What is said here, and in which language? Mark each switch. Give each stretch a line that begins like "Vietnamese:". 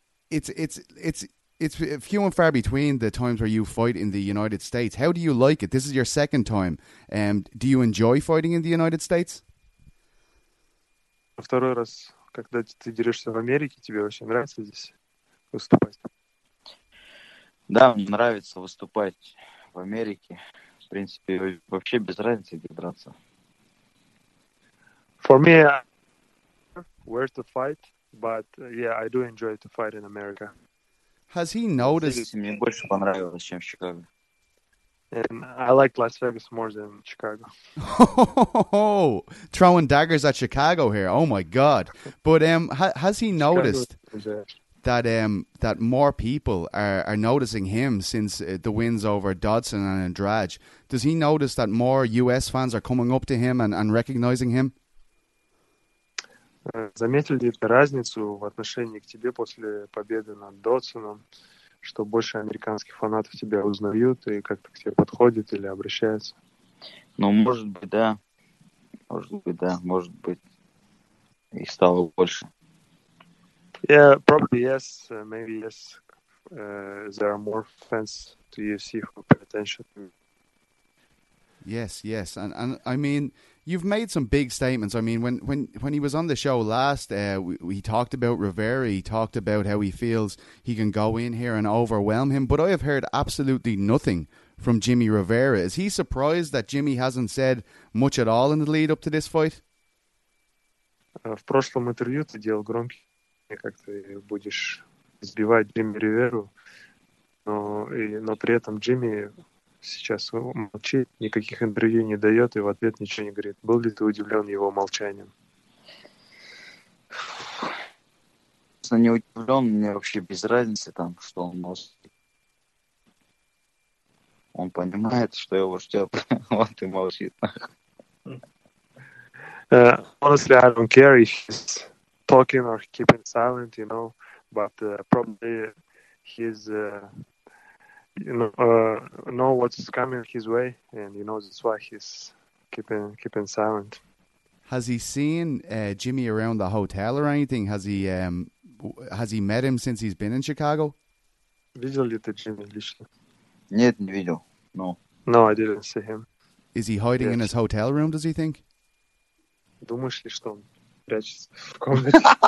English: It's few and far between the times where you fight in the United States. How do you like it? This is your second time. Do you enjoy fighting in the United States?
Russian: Второй раз, когда ты дерешься в Америке, тебе вообще нравится здесь выступать? Да, мне нравится выступать в Америке. В принципе, вообще без разницы, где драться.
English: For me, where to fight, but yeah, I do enjoy to fight in America. Has he noticed?
Russian: Мне больше понравилось, чем в Чикаго.
English: And I like Las Vegas more than Chicago. Oh, throwing daggers at Chicago here. Oh my God. But has he noticed that more people are noticing him since the wins over Dodson and Andrade? Does he notice that more US fans are coming up to him and recognizing him?
Russian: Заметил ли ты разницу в отношении к тебе после победы над Додсоном, что больше американских фанатов тебя узнают и как-то к тебе подходят или обращаются? Ну, может быть, да. Может быть, да. Может быть, их стало больше.
English: Yeah, probably yes. Maybe yes. There are more fans to UFC who pay attention. Yes, yes, and I mean, you've made some big statements. I mean, when he was on the show last, we talked about Rivera. He talked about how he feels he can go in here and overwhelm him. But I have heard absolutely nothing from Jimmy Rivera. Is he surprised that Jimmy hasn't said much at all in the lead up to this fight?
Russian: В прошлом интервью ты делал громкий. Как ты будешь сбивать Джимми Риверу, но при этом Джимми сейчас молчит, никаких интервью не дает и в ответ ничего не говорит. Был ли ты удивлен его молчанием? Я не удивлен, мне вообще без разницы там, что он молчит. Он понимает, что его ждет, вот и молчит.
English: Honestly, I don't care if he's talking or keeping silent, you know, but probably he's, know what's coming his way, and you know that's why he's keeping silent. Has he seen Jimmy around the hotel or anything? Has he met him since he's been in Chicago?
Russian: Видел ли ты Джимми лично? Нет, не видел.
English: No. No, I didn't see him. Is he hiding in his hotel room, does he think?
Russian: Думаешь ли, что он прячется в комнате?